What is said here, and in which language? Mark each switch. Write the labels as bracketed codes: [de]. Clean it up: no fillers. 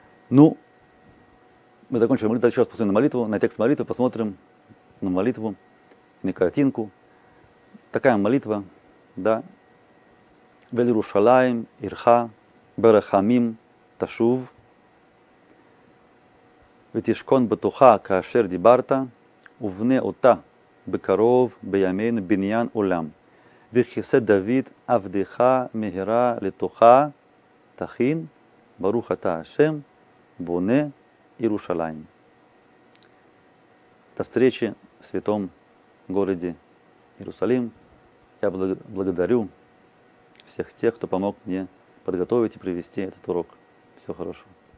[ru] Ну, мы закончили молитву, еще раз посмотрим на молитву, на текст молитвы, посмотрим на молитву, на картинку. Такая молитва, да. [he] Вель Иерушалаим, Ирха, Берахамим, Ташув. ותשכון בטוחה כאשר דיברת, ובנה אותה בקרוב בימינו בניין עולם. וכיסא דוד עבדך מהרה לתוכה, תכין, ברוך אתה השם, בונה ירושלים. [ru] До встречи в святом городе Иерусалим. Я благодарю всех тех, кто помог мне подготовить и привести этот урок. Всего хорошего.